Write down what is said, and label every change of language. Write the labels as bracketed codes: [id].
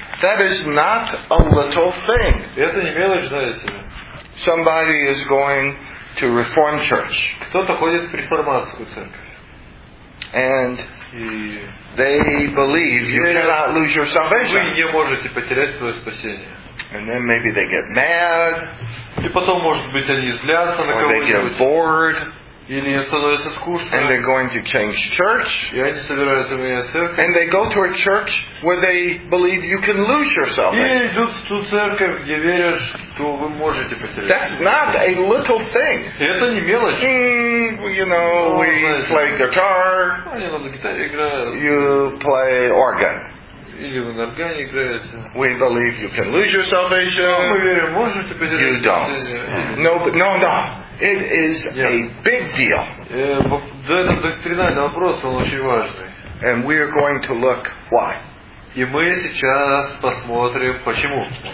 [en] That is not a little thing. [ru] Это не мелочь, знаете. [en] Somebody is going to Reform Church. [ru] Кто-то ходит в реформатскую церковь. [en] And they believe you cannot lose your salvation. [ru] Вы не можете потерять свое спасение. [en] And then maybe they get mad. [ru] И потом, может быть, они злятся на кого-нибудь. [en] Or they get bored. [ru] Или становится скучно. [en] And they're going to change church. [ru] И они собираются менять церковь. [en] And they go to a church where they believe you can lose yourself. [ru] И идут в ту церковь, где верят, что вы можете потерять. [en] That's not a little thing. [ru] Это не мелочь. [en] You know, we play guitar. [ru] Они на гитаре играют. [en] You play organ. [ru] Или вы на органе играете. [en] We believe you can lose your salvation. [ru] Мы верим, можете потерять. [en] You don't. No. It is a big deal. [ru] Это доктринальный вопрос, он очень важный. [en] And we are going to look why. [ru] И мы сейчас посмотрим, почему.